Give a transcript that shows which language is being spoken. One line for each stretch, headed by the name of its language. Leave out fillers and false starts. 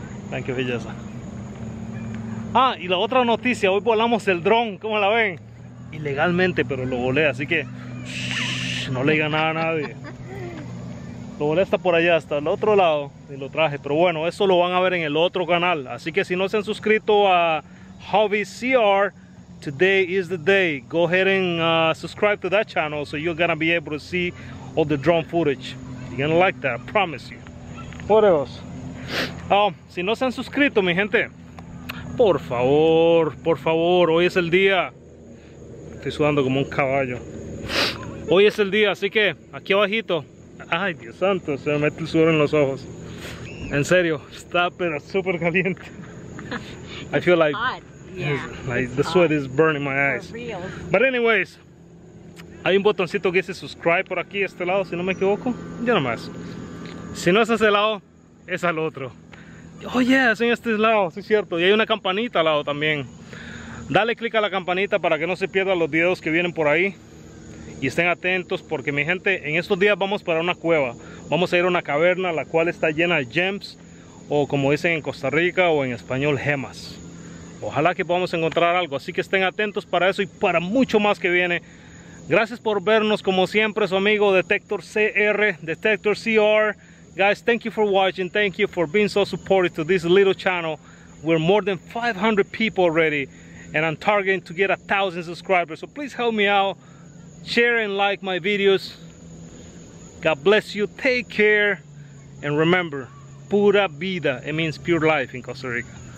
Spanish: Vean qué belleza. Ah, y la otra noticia. Hoy volamos el dron. ¿Cómo la ven? Ilegalmente, pero lo volé, así que no le diga nada a nadie. Lo volé hasta por allá, hasta el otro lado, y lo traje. Pero bueno, eso lo van a ver en el otro canal. Así que si no se han suscrito a Hobby CR,
English: today is the day. Go ahead and subscribe to that channel, so you're gonna be able to see all the drone footage. You're gonna like that, I promise you. What else?
Spanish: Si no se han suscrito, mi gente, por favor, por favor, hoy es el día. Estoy sudando como un caballo. Hoy es el día, así que aquí abajito. Ay, Dios santo, se me mete el sudor en los ojos. En serio, está pero súper caliente.
English: I feel like, it's the sweat is burning my eyes. For real. But anyways,
Spanish: hay un botoncito que dice subscribe por aquí, este lado, si no me equivoco. Ya nomás. Si no es a ese lado, es al otro.
English: Oh yeah,
Spanish: es en este lado, sí, cierto. Y hay una campanita al lado también. Dale click a la campanita para que no se pierdan los videos que vienen por ahí. Y estén atentos porque, mi gente, en estos días vamos para una cueva. Vamos a ir a una caverna, la cual está llena de gems. O como dicen en Costa Rica o en español, gemas. Ojalá que podamos encontrar algo. Así que estén atentos para eso y para mucho más que viene. Gracias por vernos, como siempre, su amigo Detector CR, Detector CR.
English: Guys, thank you for watching. Thank you for being so supportive to this little channel. We're more than 500 people already. And I'm targeting to get 1,000 subscribers. So please help me out. Share and like my videos. God bless you. Take care. And remember, pura vida. It means pure life in Costa Rica.